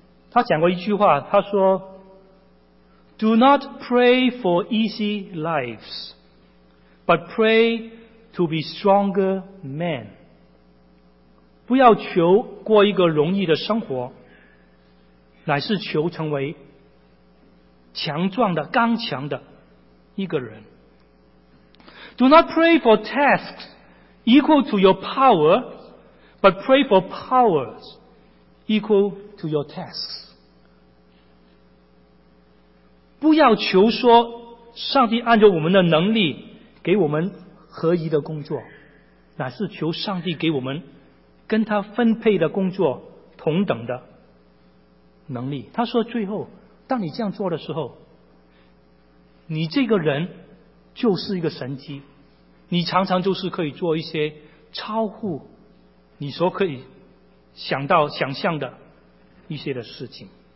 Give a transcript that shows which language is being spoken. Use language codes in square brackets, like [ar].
[zh] 他讲过一句话，他说 [en] Do not pray for easy lives but pray to be stronger men。 [zh] 不要求过一个容易的生活，乃是求成为强壮的、刚强的一个人。 [en] Do not pray for tasks equal to your power but pray for powers equal to your tasks。 [zh] 不要求说上帝按照我们的能力给我们合宜的工作，乃是求上帝给我们跟他分配的工作同等的能力。他说最后当你这样做的时候，你这个人就是一个神迹，你常常就是可以做一些超乎你所可以想到想象的一些的事情。